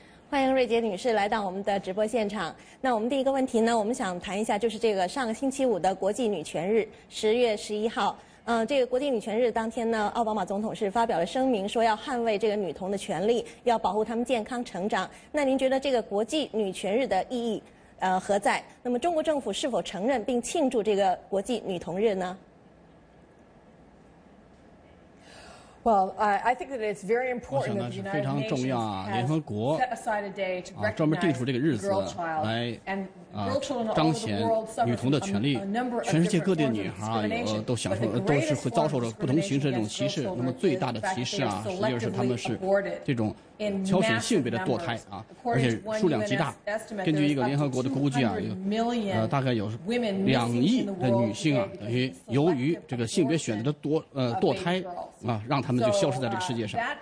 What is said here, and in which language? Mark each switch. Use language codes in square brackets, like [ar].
[zh] 欢迎瑞杰女士来到我们的直播现场。那我们第一个问题呢，我们想谈一下，就是这个上个星期五的国际女权日，10月11号，这个国际女权日当天呢，奥巴马总统是发表了声明，说要捍卫这个女童的权利，要保护她们健康成长。那您觉得这个国际女权日的意义何在？那么中国政府是否承认并庆祝这个国际女童日呢？ [en] Well, I think that it's very important that the United Nations has set aside a day to recognize girl child and girl children all over the world suffer from a number of different forms of discrimination. [zh] 彰显女童的权利，全世界各地的女孩都享受，都是会遭受着不同形式的这种歧视。那么最大的歧视实际上是他们是这种挑选性别的堕胎而且数量极大。根据一个联合国的估计大概有2亿的女性等于由于这个性别选择的堕胎让他们就消失在这个世界上。